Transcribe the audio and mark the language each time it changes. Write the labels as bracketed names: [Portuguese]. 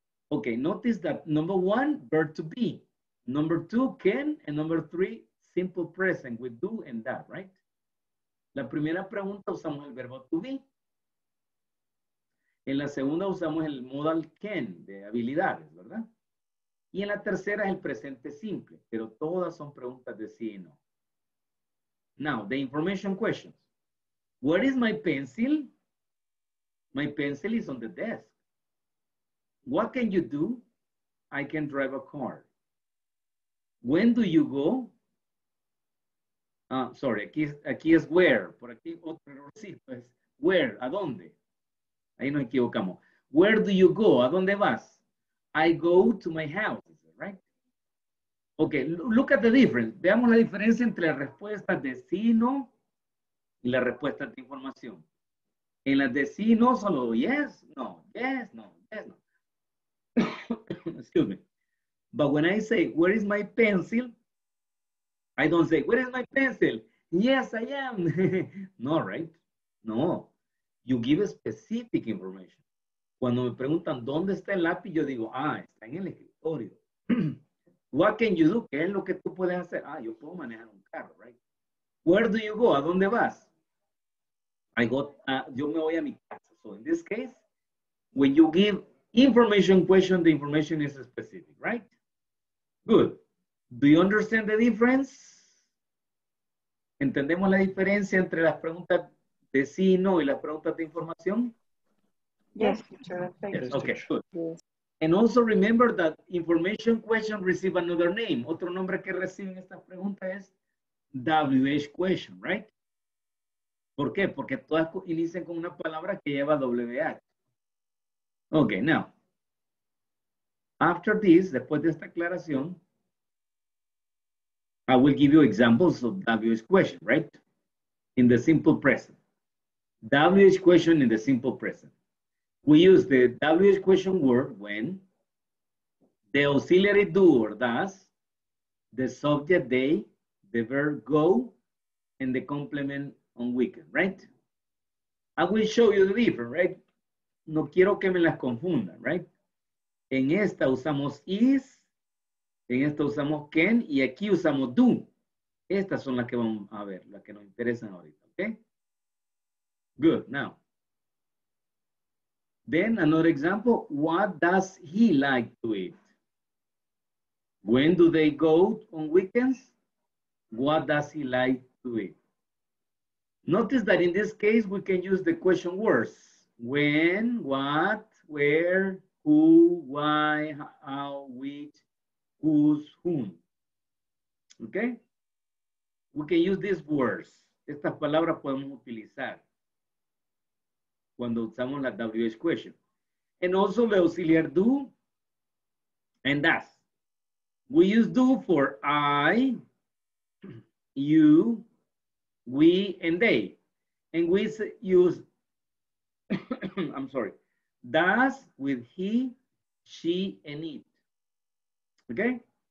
[English] Okay, notice that number one, verb to be. Number two, can, and number three, simple present with do and that, right? [Spanish] La primera pregunta usamos el verbo to be. En la segunda usamos el modal can, de habilidades, ¿verdad? Y en la tercera es el presente simple, pero todas son preguntas de sí y no. [English] Now, the information questions. Where is my pencil? My pencil is on the desk. What can you do? I can drive a car. When do you go? Sorry, [Spanish] aquí es where. Por aquí otro errorcito es where, ¿a dónde? Ahí nos equivocamos. [English] Where do you go? [Spanish] ¿A dónde vas? [English] I go to my house, right? Okay, look at the difference. [Spanish] Veamos la diferencia entre las respuestas de sí y no y las respuestas de información. En las de sí y no, solo yes, no, yes, no, yes, no. [English] Excuse me. But when I say, where is my pencil? I don't say, where is my pencil? Yes, I am. No, right? No. You give specific information. [Spanish] Cuando me preguntan, ¿dónde está el lápiz? Yo digo, ah, está en el escritorio. [English] What can you do? [Spanish] ¿Qué es lo que tú puedes hacer? Ah, yo puedo manejar un carro, right? [English] Where do you go? [Spanish] ¿A dónde vas? [English] I go, [Spanish] yo me voy a mi casa. [English] So in this case, when you give information question, the information is specific, right? Good. Do you understand the difference? [Spanish] ¿Entendemos la diferencia entre las preguntas de sí y no y las preguntas de información? [English] Yes, teacher. Thank you. Okay, good. Yes. And also remember that information question receive another name. [Spanish] Otro nombre que reciben estas preguntas es WH question, right? ¿Por qué? Porque todas inician con una palabra que lleva WH. [English] Okay, now. After this, [Spanish] después de esta aclaración, [English] I will give you examples of WH question, right? In the simple present. WH question in the simple present. We use the WH question word when the auxiliary do or does, the subject they, the verb go, and the complement on weekend, right? I will show you the difference, right? [Spanish] No quiero que me las confundan, [English] right? [Spanish] En esta usamos is, en esta usamos can, y aquí usamos do. Estas son las que vamos a ver, las que nos interesan ahorita, okay? [English] Good, now. Then another example, what does he like to eat? When do they go on weekends? What does he like to eat? Notice that in this case, we can use the question words. When, what, where, who, why, how, which, who's, whom. Okay? We can use these words. [Spanish] Estas palabras podemos utilizar cuando usamos la WH question. [English] And also the auxiliar do and does. We use do for I, you, we, and they. And we use, I'm sorry, does with he, she, and it. Okay?